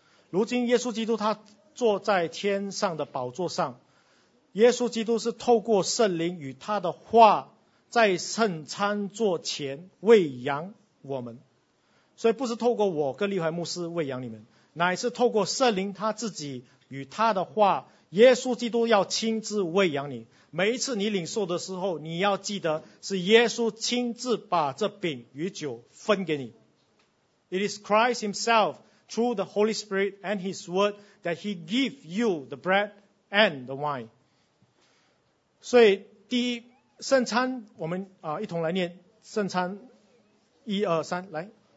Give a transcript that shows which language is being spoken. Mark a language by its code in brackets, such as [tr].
[zh] 如今耶稣基督他坐在天上的宝座上，耶稣基督是透过圣灵与他的话在圣餐座前喂养我们，所以不是透过我跟利怀牧师喂养你们，乃是透过圣灵他自己与他的话，耶稣基督要亲自喂养你，每一次你领受的时候，你要记得是耶稣亲自把这饼与酒分给你。 [en] It is Christ himself through the Holy Spirit and his word that he give you the bread and the wine. [zh] 所以第一圣餐我们一同来念圣餐，一二三来。